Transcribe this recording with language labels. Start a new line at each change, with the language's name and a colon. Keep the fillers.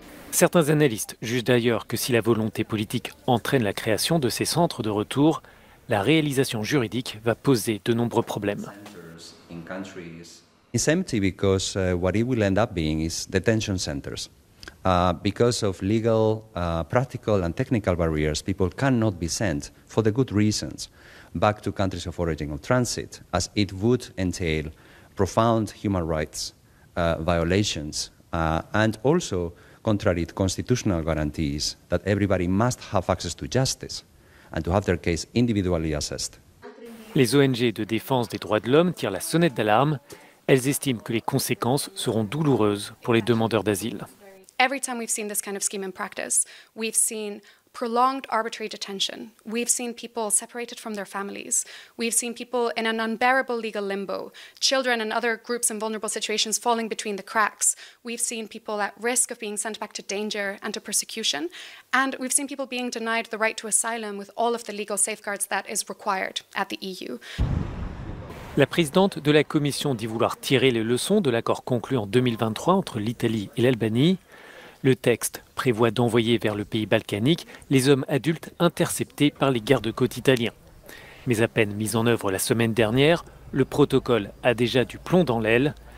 French: Certains analystes jugent d'ailleurs que si la volonté politique entraîne la création de ces centres de retour, la réalisation juridique va poser de nombreux problèmes.
English: It's empty because uh, what it will end up being is detention centers. Uh, because of legal, uh, practical and technical barriers, people cannot be sent for the good reasons back to countries of origin or transit, as it would entail profound human rights uh, violations uh, and also contrary to constitutional guarantees that everybody must have access to justice and to have their case individually assessed.
French: Les ONG de défense des droits de l'homme tirent la sonnette d'alarme. Elles estiment que les conséquences seront douloureuses pour les demandeurs d'asile.
English: Every time we've seen this kind of scheme in practice, we've seen prolonged arbitrary detention. We've seen people separated from their families. We've seen people in an unbearable legal limbo, children and other groups in vulnerable situations falling between the cracks. We've seen people at risk of being sent back to danger and to persecution. And we've seen people being denied the right to asylum with all of the legal safeguards that is required at the EU.
French: La présidente de la Commission dit vouloir tirer les leçons de l'accord conclu en 2023 entre l'Italie et l'Albanie. Le texte prévoit d'envoyer vers le pays balkanique les hommes adultes interceptés par les gardes-côtes italiens. Mais à peine mis en œuvre la semaine dernière, le protocole a déjà du plomb dans l'aile.